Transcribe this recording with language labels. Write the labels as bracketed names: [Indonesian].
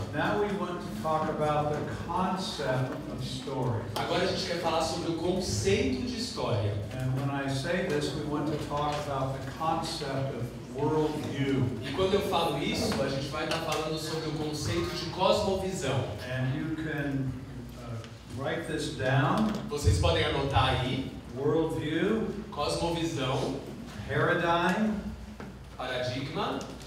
[English] Now we want to talk about the concept of story. [Portuguese] Agora a gente quer falar sobre o conceito de história. [English] And when I say this, we want to talk about the concept of world view. [Portuguese] E quando eu falo isso, a gente vai estar falando sobre o conceito de cosmovisão. [English] And you can write this down. [Portuguese] Vocês podem anotar aí. [English] World view, [Portuguese] cosmovisão, [English] paradigm, [Portuguese] paradigma,